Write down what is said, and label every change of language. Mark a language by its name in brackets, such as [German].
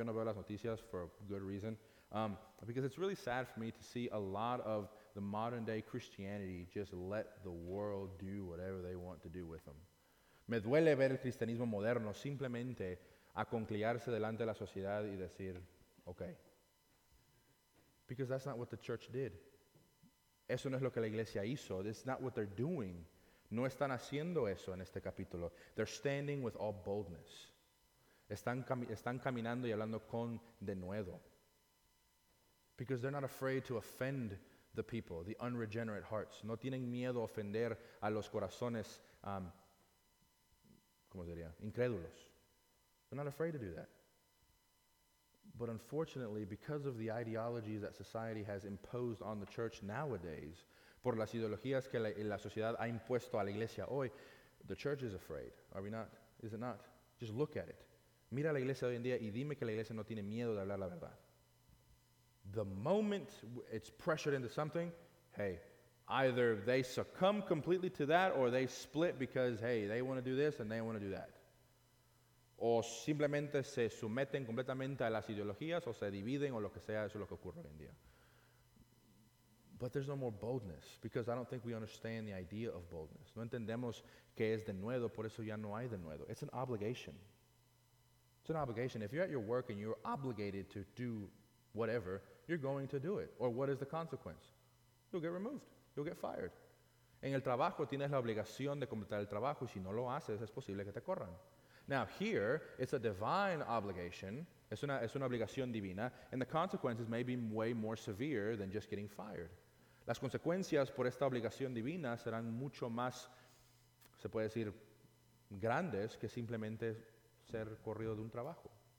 [Spanish] Yo no veo las noticias [English] for a good reason. Because it's really sad for me to see a lot of the modern day Christianity just let the world do whatever they want to do with them. [Spanish] Me duele ver el cristianismo moderno simplemente aconclearse delante de la sociedad y decir, okay. [English] Because that's not what the church did. [Spanish] Eso no es lo que la iglesia hizo. [English] It's not what they're doing. [Spanish] No están haciendo eso en este capítulo. [English] They're standing with all boldness. [Spanish] Están caminando y hablando con denuedo. [English] Because they're not afraid to offend the people, the unregenerate hearts. [Spanish] No tienen miedo a ofender a los corazones, ¿cómo sería? [English] Incrédulos. They're not afraid to do that. But unfortunately, because of the ideologies that society has imposed on the church nowadays, [Spanish] por las ideologías que la sociedad ha impuesto a la iglesia hoy, [English] the church is afraid. Are we not? Is it not? Just look at it. [Spanish] Mira la iglesia hoy en día y dime que la iglesia no tiene miedo de hablar la verdad. [English] The moment it's pressured into something, hey, either they succumb completely to that or they split because, hey, they want to do this and they want to do that. [Spanish] O simplemente se someten completamente a las ideologías o se dividen o lo que sea, eso es lo que ocurre hoy en día. [English] But there's no more boldness because I don't think we understand the idea of boldness. [Spanish] No entendemos que es denuedo, por eso ya no hay denuedo. [English] It's an obligation. It's an obligation. If you're at your work and you're obligated to do whatever, you're going to do it. Or what is the consequence? You'll get removed. You'll get fired. [Spanish] En el trabajo tienes la obligación de completar el trabajo, y si no lo haces, es posible que te corran. [English] Now, here, it's a divine obligation. [Spanish] Es una obligación divina, [English] and the consequences may be way more severe than just getting fired. [Spanish] Las consecuencias por esta obligación divina serán mucho más, se puede decir, grandes que simplemente ser corrido de un trabajo.